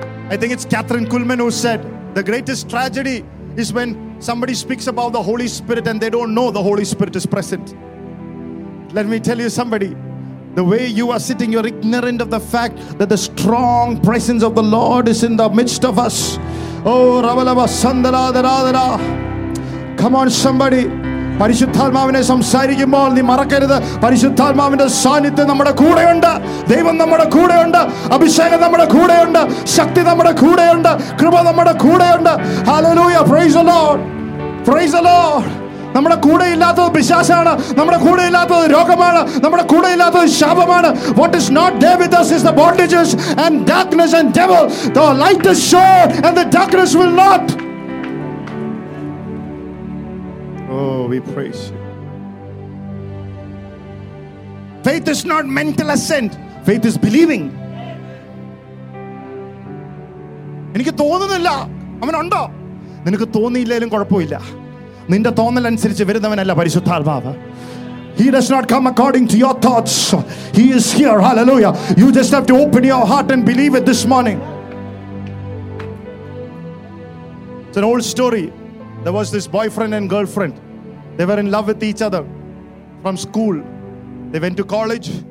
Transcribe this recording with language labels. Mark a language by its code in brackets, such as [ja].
[en] I think it's Catherine Kuhlman who said, the greatest tragedy is when somebody speaks about the Holy Spirit and they don't know the Holy Spirit is present. Let me tell you somebody. The way you are sitting, you're ignorant of the fact that the strong presence of the Lord is in the midst of us. Oh, Ravalava Sandala Dara. Come on, somebody. [ml] പരിശുദ്ധാത്മാവിനെ സംസാരിക്കുമ്പോൾ നീ മറക്കരുത്, പരിശുദ്ധാത്മാവിന്റെ സാന്നിധ്യം നമ്മുടെ കൂടെയുണ്ട്, ദൈവം നമ്മുടെ കൂടെയുണ്ട്, അഭിഷേകം നമ്മുടെ കൂടെയുണ്ട്, ശക്തി നമ്മുടെ കൂടെയുണ്ട്, കൃപ നമ്മുടെ കൂടെയുണ്ട്. Hallelujah, [en] Praise the Lord, praise the Lord. [ml] നമ്മുടെ കൂടെ ഇല്ലാത്തത് പിശാചാണ്, നമ്മുടെ കൂടെ ഇല്ലാത്തത് രോഗമാണ്, നമ്മുടെ കൂടെ ഇല്ലാത്തത് ശാപമാണ്. [en] What is not there with us is the bondages and darkness and the devil. The light is show and the darkness will not. Oh, we praise you. Faith is not mental assent. Faith is believing. [ml] എനിക്ക് തോന്നുന്നില്ല, അവനുണ്ടോ? നിനക്ക് തോന്നിയില്ലെങ്കിലും കുഴപ്പമില്ല, നിന്റെ തോന്നൽ അനുസരിച്ച് വരുന്നവനല്ല പരിശുദ്ധാത്മാവ്. [en] He does not come according to your thoughts. He is here. Hallelujah. You just have to open your heart and believe it this morning. It's an old story. There was this boyfriend and girlfriend. They were in love with each other from school. They went to college.